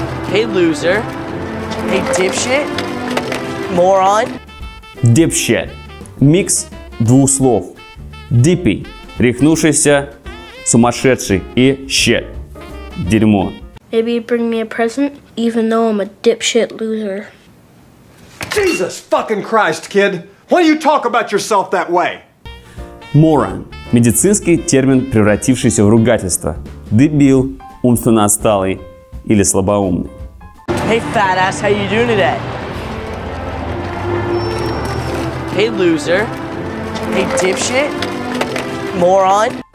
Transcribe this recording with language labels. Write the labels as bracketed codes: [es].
[en] Hey, loser. Hey, dipshit. Moron. [ru] Dipshit. Микс двух слов. Dippy. Рехнувшийся, сумасшедший. И shit. Дерьмо. [en] Maybe you bring me a present, even though I'm a dipshit loser. Jesus fucking Christ, kid. Why do you talk about yourself that way? Moron. [ru] Медицинский термин, превратившийся в ругательство. Дебил, умственно отсталый или слабоумный. [en] Hey, fat ass, how you doing today? Hey, loser. Hey, dipshit. Moron.